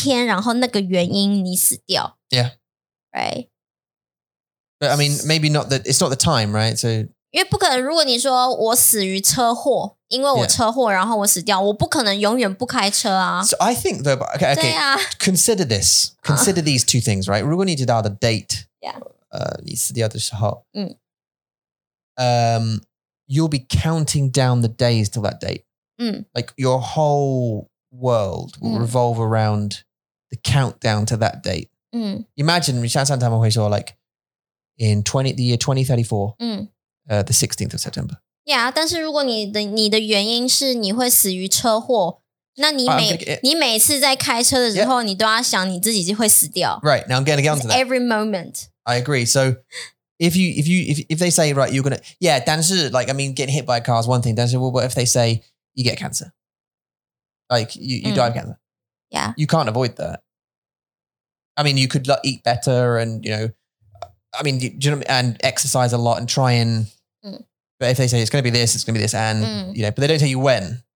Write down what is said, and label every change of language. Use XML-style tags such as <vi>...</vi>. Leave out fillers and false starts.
<zh>我想要知道,因为你可以准备啊。嗯。你可以准备,你可以计划。哦,但是。这是很神的问题。对,但是如果你想要知道你死的原因,它有可能就是那一天。那一天,然后那个原因你死掉。</zh> <en>Yeah. Right? But I mean, maybe not that, it's not the time, right? So,</en> <zh>因为不可能,如果你说我死于车祸,因为我车祸然后我死掉,我不可能永远不开车啊。</zh> <en>So I think though, okay, consider this, consider these two things, right?</en> <zh>如果你知道</zh> <en>the date, yeah.</en> <zh>你死掉的时候,</zh> <en>you'll be counting down the days till that date. Like your whole world will revolve around the countdown to that date. Imagine,</en> <zh>像上他们会说,</zh> <en>like, in the year 2034, the 16th of September.</en> <zh>Yeah, 但是如果你的原因是你会死于车祸，那你每次在开车的时候，你都要想你自己会死掉。</zh> <en>Right, now I'm going to get onto that. Every moment. I agree. So if they say, right, you're going to, yeah,</en> <zh>但是,</zh> <en>like, I mean, getting hit by a car is one thing, 但是, well, what if they say you get cancer? Like, you die of cancer. Yeah. You can't avoid that. I mean, you could eat better and, you know, I mean, do you know, and exercise a lot and try and, but if they say it's going to be this, it's going to be this, and, you know, but they don't tell you when.</en>